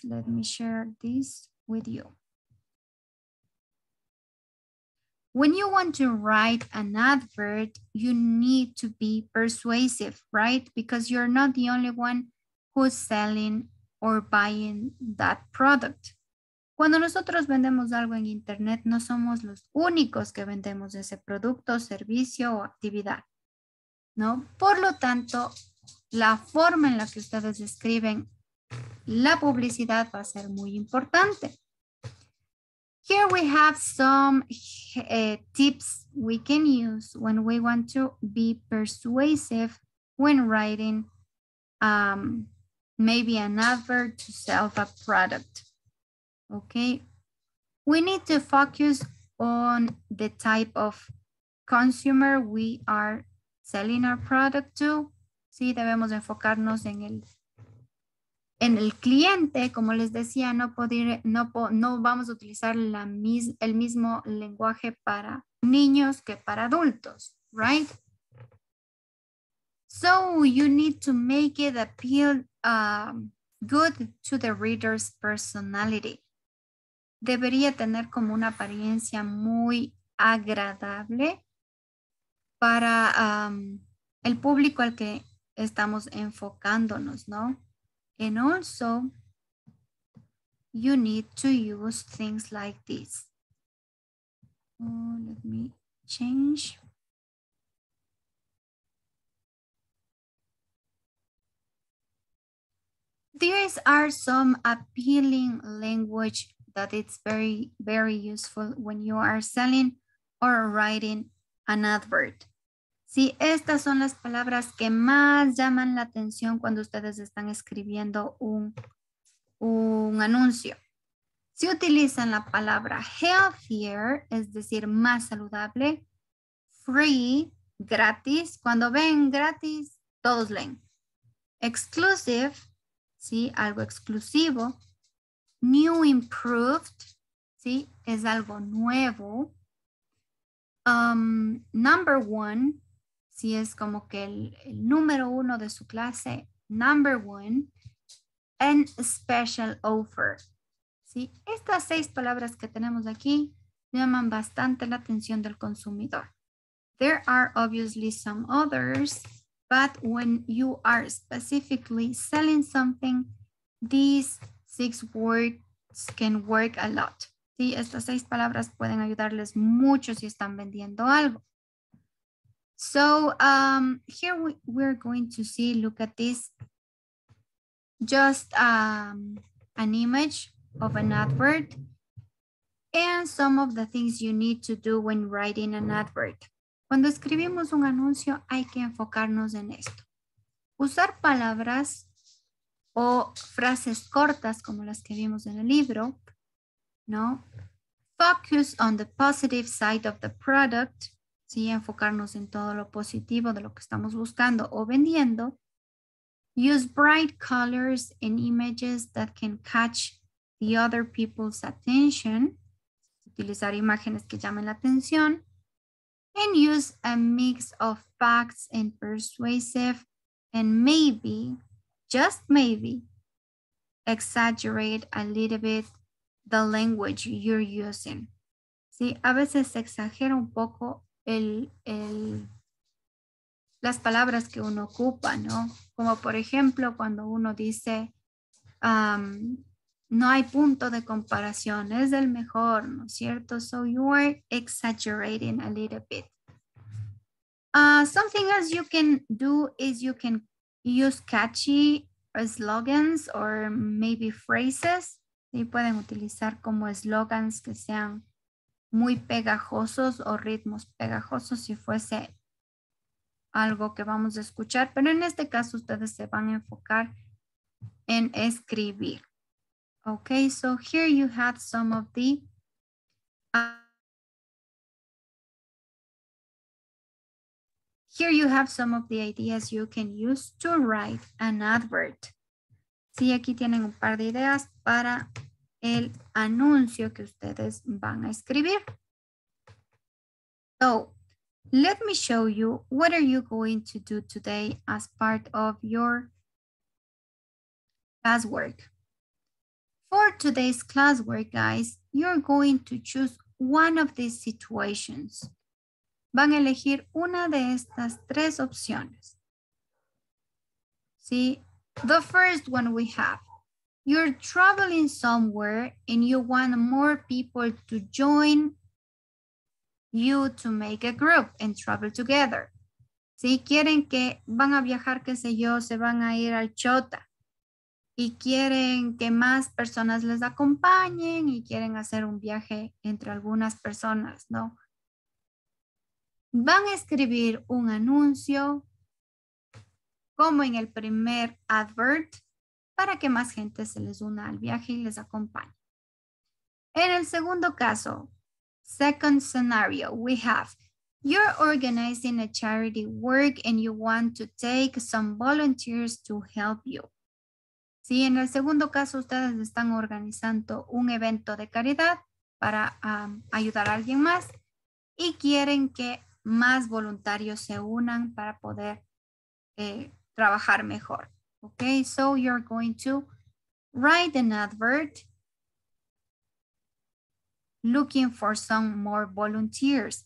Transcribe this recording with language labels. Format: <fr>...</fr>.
<en>Let me share this with you. When you want to write an advert, you need to be persuasive, right? Because you're not the only one who's selling or buying that product.</en> <es>Cuando nosotros vendemos algo en internet, no somos los únicos que vendemos ese producto, servicio o actividad, ¿no? Por lo tanto, la forma en la que ustedes escriben la publicidad va a ser muy importante.</es> <en>Here we have some tips we can use when we want to be persuasive when writing maybe an advert to sell a product, okay? We need to focus on the type of consumer we are selling our product to.</en> <es>Sí, debemos enfocarnos en el cliente, como les decía, no vamos a utilizar el mismo lenguaje para niños que para adultos,</es> <en>right? So you need to make it appeal good to the reader's personality.</en> <es>Debería tener como una apariencia muy agradable para el público al que estamos enfocándonos, ¿no?</es> <en>And also, you need to use things like this. Oh, let me change. These are some appealing language that it's very, very useful when you are selling or writing an advert.</en> <es>Sí, estas son las palabras que más llaman la atención cuando ustedes están escribiendo un anuncio. Si utilizan la palabra healthier, es decir, más saludable, free, gratis, cuando ven gratis, todos leen. Exclusive, sí, algo exclusivo. New, improved, sí, es algo nuevo. Number one. Si es como que el número uno de su clase, number one,</es> <en>and special offer.</en> <es>¿Sí? Estas seis palabras que tenemos aquí llaman bastante la atención del consumidor.</es> <en>There are obviously some others, but when you are specifically selling something, these six words can work a lot.</en> <es>¿Sí? Estas seis palabras pueden ayudarles mucho si están vendiendo algo.</es> <en>So here we're going to see, look at this, just an image of an advert and some of the things you need to do when writing an advert.</en> <es>Cuando escribimos un anuncio, hay que enfocarnos en esto. Usar palabras o frases cortas como las que vimos en el libro, ¿no?</es> <en>Focus on the positive side of the product.</en> <es>Sí, enfocarnos en todo lo positivo de lo que estamos buscando o vendiendo.</es> <en>Use bright colors and images that can catch the other people's attention.</en> <es>Utilizar imágenes que llamen la atención.</es> <en>And use a mix of facts and persuasive, and maybe, just maybe, exaggerate a little bit the language you're using.</en> <es>Sí, a veces exagera un poco las palabras que uno ocupa, ¿no? Como por ejemplo cuando uno dice, no hay punto de comparación, es el mejor, ¿no es cierto?</es> <en>So you are exaggerating a little bit. Something else you can do is you can use catchy slogans or maybe phrases.</en> <es>Y pueden utilizar como slogans que sean muy pegajosos o ritmos pegajosos si fuese algo que vamos a escuchar. Pero en este caso ustedes se van a enfocar en escribir.</es> <en>Ok, so here you have some of the... Here you have some of the ideas you can use to write an advert.</en> <es>Sí, aquí tienen un par de ideas para el anuncio que ustedes van a escribir.</es> <en>So, let me show you what are you going to do today as part of your classwork. For today's classwork, guys, you're going to choose one of these situations.</en> <es>Van a elegir una de estas tres opciones.</es> <en>See, the first one we have. You're traveling somewhere and you want more people to join you to make a group and travel together.</en> <es>Si quieren que van a viajar, qué sé yo, se van a ir al Chota y quieren que más personas les acompañen y quieren hacer un viaje entre algunas personas, ¿no? Van a escribir un anuncio como en el primer advert para que más gente se les una al viaje y les acompañe. En el segundo caso,</es> <en>second scenario, we have you're organizing a charity work and you want to take some volunteers to help you.</en> <es>Sí, en el segundo caso, ustedes están organizando un evento de caridad para ayudar a alguien más y quieren que más voluntarios se unan para poder trabajar mejor.</es> <en>Okay, so you're going to write an advert looking for some more volunteers.</en>